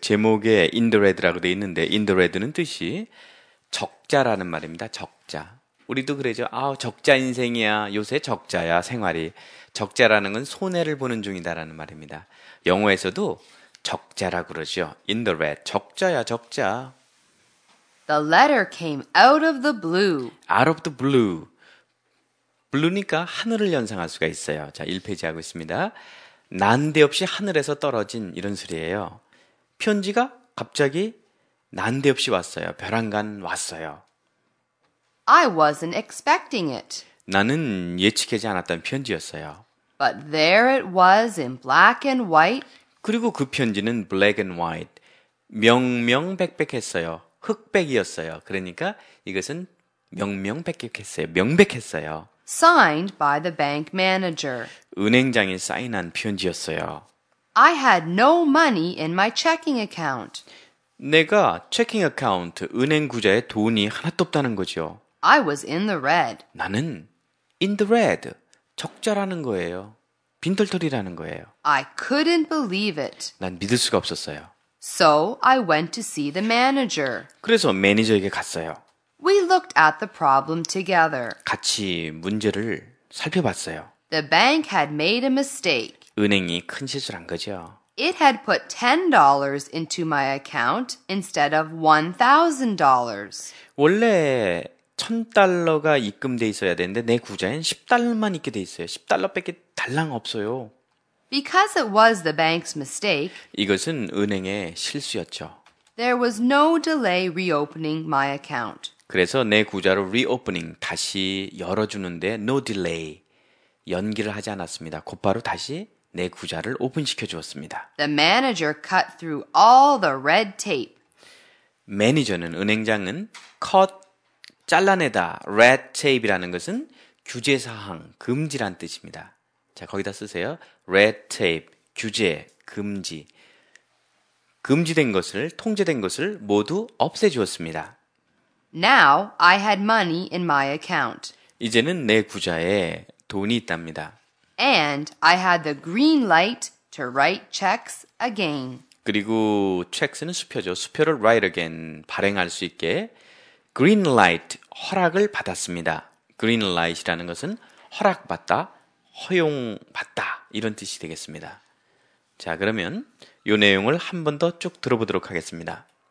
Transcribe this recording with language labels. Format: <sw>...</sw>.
<ko>제목에</ko> <en>in the red</en> <ko>라고 되어 있는데 in the red는 뜻이 적자라는 말입니다. 적자. 우리도 그러죠. 아, 적자 인생이야. 요새 적자야, 생활이. 적자라는 건 손해를 보는 중이다라는 말입니다. 영어에서도 적자라 그러죠.</ko> <en>In the red.</en> <ko>적자야, 적자.</ko> <en>The letter came out of the blue. Out of the blue.</en> <ko>블루니까 하늘을 연상할 수가 있어요. 자, 1페이지 하고 있습니다. 난데없이 하늘에서 떨어진 이런 소리예요. 편지가 갑자기 난데없이 왔어요. 벼랑간 왔어요.</ko> <en>I wasn't expecting it.</en> <ko>나는 예측하지 않았던 편지였어요.</ko> <en>But there it was in black and white.</en> <ko>그리고 그 편지는</ko> <en>black and white.</en> <ko>명명백백했어요. 흑백이었어요. 그러니까 이것은 명명백백했어요. 명백했어요.</ko> <en>Signed by the bank manager.</en> <ko>은행장이 사인한 편지였어요.</ko> <en>I had no money in my checking account.</en> <ko>내가</ko> <en>checking account,</en> <ko>은행 구좌에 돈이 하나도 없다는 거죠.</ko> <en>I was in the red.</en> <ko>나는</ko> <en>in the red.</en> <ko>적자라는 거예요. 빈털터리라는 거예요.</ko> <en>I couldn't believe it.</en> <ko>난 믿을 수가 없었어요.</ko> <en>So I went to see the manager.</en> <ko>그래서 매니저에게 갔어요.</ko> <en>We looked at the problem together.</en> <ko>같이 문제를 살펴봤어요.</ko> <en>The bank had made a mistake.</en> <ko>은행이 큰 실수를 한 거죠.</ko> <en>It had put $10 into my account instead of $1,000.</en> <ko>원래 $1,000가 입금돼 있어야 되는데 내 구좌엔 $10만 있게 돼 있어요. $10밖에 달랑 없어요.</ko> <en>Because it was the bank's mistake.</en> <ko>이것은 은행의 실수였죠.</ko> <en>There was no delay reopening my account.</en> <ko>그래서 내 구좌를 reopening, 다시 열어주는데</ko> <en>no delay,</en> <ko>연기를 하지 않았습니다. 곧바로 다시 내 구좌를 오픈시켜 주었습니다.</ko> <en>The manager cut through all the red tape.</en> <ko>매니저는, 은행장은 cut, 잘라내다, red tape이라는 것은 규제사항, 금지란 뜻입니다. 자, 거기다 쓰세요. red tape, 규제, 금지. 금지된 것을, 통제된 것을 모두 없애주었습니다.</ko> <en>Now I had money in my account.</en> <ko>이제는 내 구좌에 돈이 있답니다.</ko> <en>And I had the green light to write checks again.</en> <ko>그리고 checks는 수표죠. 수표를</ko> <en>write again,</en> <ko>발행할 수 있게</ko> <en>green light,</en> <ko>허락을 받았습니다. Green light이라는 것은 허락받다, 허용받다 이런 뜻이 되겠습니다. 자, 그러면 이 내용을 한 번 더 쭉 들어보도록 하겠습니다.</ko>